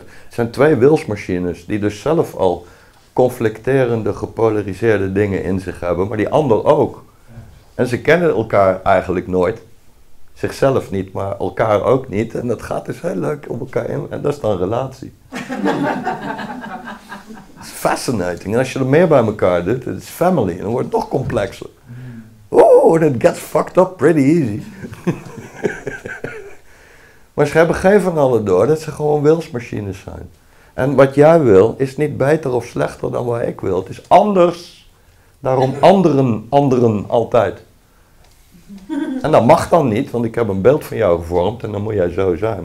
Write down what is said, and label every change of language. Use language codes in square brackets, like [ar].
[nl] Het zijn twee wilsmachines die dus zelf al conflicterende, gepolariseerde dingen in zich hebben, maar die ander ook. En ze kennen elkaar eigenlijk nooit. Zichzelf niet, maar elkaar ook niet. En dat gaat dus heel leuk op elkaar in. En dat is dan relatie. Het is fascinating. En als je er meer bij elkaar doet, het is family. En dan wordt het nog complexer. [en] Oeh, that gets fucked up pretty easy. [nl] Maar ze hebben geen van allen door dat ze gewoon wilsmachines zijn. En wat jij wil, is niet beter of slechter dan wat ik wil. Het is anders. Daarom anderen altijd. En dat mag dan niet, want ik heb een beeld van jou gevormd en dan moet jij zo zijn.